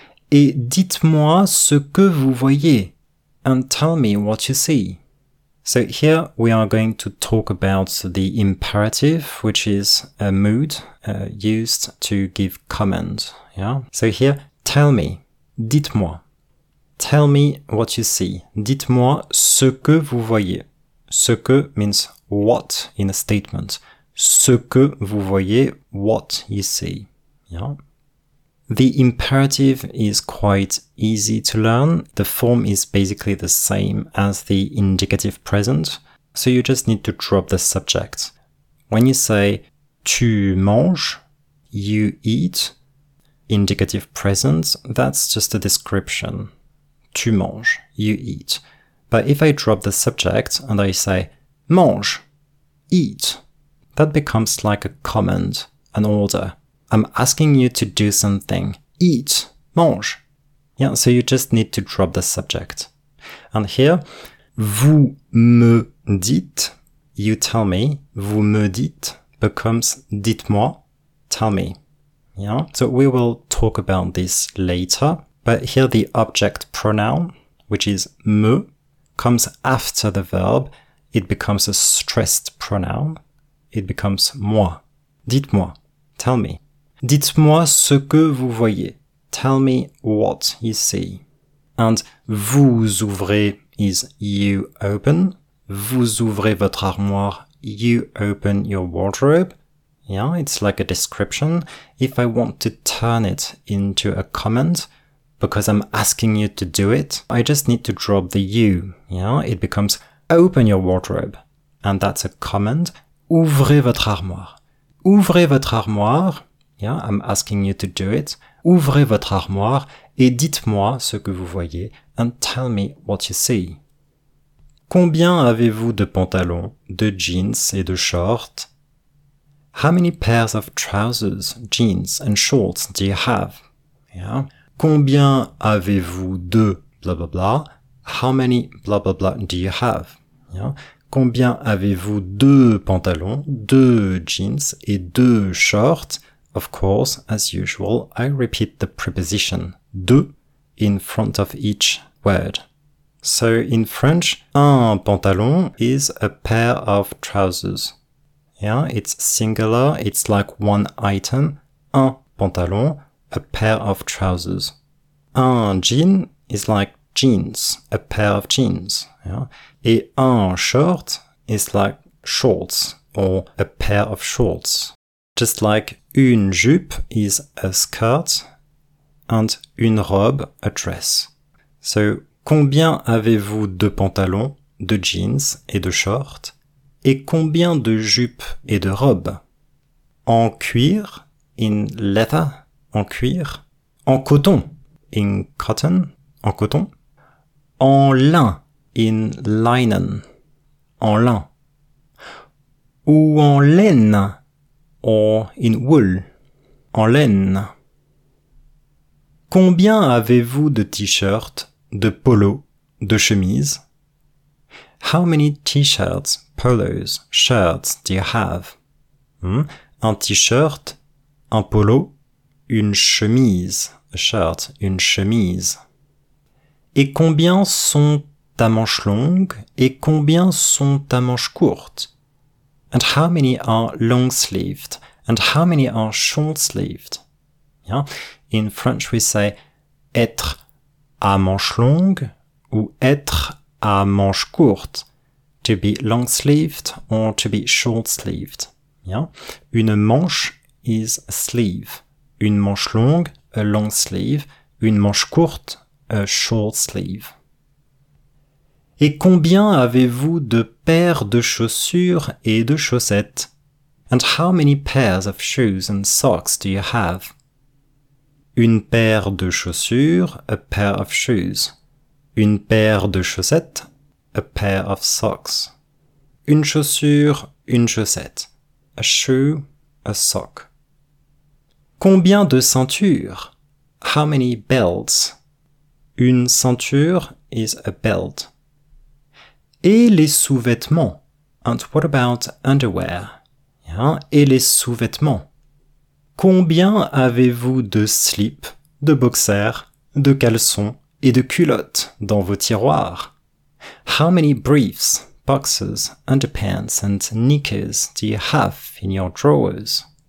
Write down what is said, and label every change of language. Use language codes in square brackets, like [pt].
[fr] Et dites-moi ce que vous voyez. [en] And tell me what you see. So here we are going to talk about the imperative, which is a mood used to give command. Yeah. So here, tell me, [fr] dites-moi. [en] Tell me what you see. [fr] Dites-moi ce que vous voyez. Ce que [en] means what in a statement. [fr] Ce que vous voyez, [en] what you see. Yeah. The imperative is quite easy to learn. The form is basically the same as the indicative present. So you just need to drop the subject. When you say [fr] tu manges, [en] you eat, indicative present, that's just a description. [fr] Tu manges, [en] you eat. But if I drop the subject and I say [fr] mange, [en] eat, that becomes like a command, an order. I'm asking you to do something. Eat, [fr] mange. [en] Yeah, so you just need to drop the subject. And here, [fr] vous me dites, [en] you tell me, vous me dites becomes [fr] dites-moi, [en] tell me. Yeah, so we will talk about this later, but here the object pronoun, which is me, comes after the verb. It becomes a stressed pronoun. It becomes moi. [fr] Dites-moi. [en] Tell me. [fr] Dites-moi ce que vous voyez. [en] Tell me what you see. And [fr] vous ouvrez [en] is you open. [fr] Vous ouvrez votre armoire. [en] You open your wardrobe. Yeah, it's like a description. If I want to turn it into a comment, because I'm asking you to do it, I just need to drop the you. Yeah, it becomes open your wardrobe. And that's a comment. [fr] Ouvrez votre armoire. Ouvrez votre armoire. [en] Yeah, I'm asking you to do it. [fr] Ouvrez votre armoire et dites-moi ce que vous voyez. [en] And tell me what you see. [fr] Combien avez-vous de pantalons, de jeans et de shorts? [en] How many pairs of trousers, jeans and shorts do you have? Yeah. [fr] Combien avez-vous de [en] blah blah blah? How many blah blah blah do you have? Yeah. [fr] combien avez-vous deux pantalons, deux jeans et deux shorts? [en] Of course, as usual, I repeat the preposition deux in front of each word. So in French, [fr] un pantalon [en] is a pair of trousers. Yeah, it's singular, it's like one item. [fr] Un pantalon, [en] a pair of trousers. [fr] Un jean [en] is like jeans, a pair of jeans. Yeah. [fr] Et un short [en] is like shorts or a pair of shorts. Just like [fr] une jupe [en] is a skirt and [fr] une robe [en] a dress. [fr] So, combien avez-vous de pantalons, de jeans et de shorts? Et combien de jupes et de robes? En cuir, [en] in leather, [fr] en cuir. En coton, [en] in cotton, [fr] en coton. En lin, [en] in linen, [fr] en lin. Ou en laine, [en] or in wool, [fr] en laine. Combien avez-vous de t-shirts, de polos, de chemises? [en] How many t-shirts, polos, shirts do you have? [fr] Un t-shirt, un polo, une chemise, [en] a shirt, [fr] une chemise. Et combien sont ta manche longue et combien sont ta manche courte? [en] And how many are long-sleeved and how many are short-sleeved? Yeah. In French we say [fr] être à manche longue ou être à manche courte. [en] To be long-sleeved or to be short-sleeved. Yeah. [fr] Une manche [en] is a sleeve. [fr] Une manche longue, [en] a long sleeve. [fr] Une manche courte, [en] a short sleeve. [fr] Et combien avez-vous de paires de chaussures et de chaussettes? [en] And how many pairs of shoes and socks do you have? [fr] Une paire de chaussures, [en] a pair of shoes. [fr] Une paire de chaussettes, [en] a pair of socks. [fr] Une chaussure, une chaussette. [en] A shoe, a sock. [fr] Combien de ceintures? [en] How many belts? [fr] Une ceinture [en] is a belt. [fr] Et les sous-vêtements? [en] And what about underwear? [fr] Yeah. Et les sous-vêtements? Combien avez-vous de slips, de boxers, de caleçons et de culottes dans vos tiroirs? [en] How many briefs, boxers, underpants and knickers do you have in your drawers?